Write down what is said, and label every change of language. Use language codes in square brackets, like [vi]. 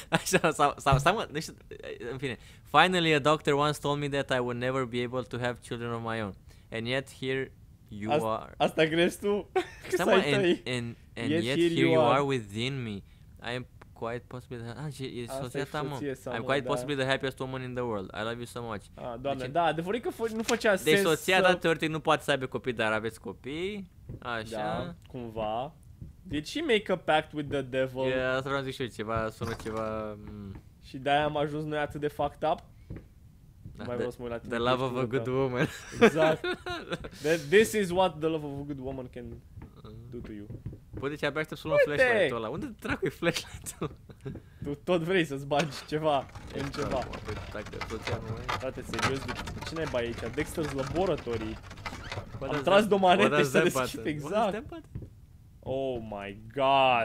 [ro] Așa, în fine. [en] Finally, a doctor once told me that I would never be able to have children of my own. And yet, here you are. [ro] Asta crezi tu? [en] And yet, here you are within me. I am quite possibly the, I'm quite possibly the happiest woman in the world. I love you so much. [ro] Ah, doamne, deci, da, adevărul e că nu făcea deci sens. Deci soția ta teoretic nu poate să aibă copii, dar aveți copii. Așa. Da, cumva. [en] Did she make a pact with the devil? [ro] Yeah, asta vreau să zic și eu, ceva, sună ceva... Și de-aia am ajuns noi atât de [en] fucked up. [ro] Da, mai vreau să mă uit la tine. [en] The love of a good woman. [ro] Exact. [en] This is what the love of a good woman can do to you. [ro] Păi, deci abia aștept să luăm flashlight-ul ăla. Unde dracu e flashlight-ul? Tu tot vrei să-ți bagi ceva în ceva. Frate, serios, ce n-ai bai aici? Dexter's Laboratory. Am tras de o manetă și s-a deschis, exact. [en] Oh my god.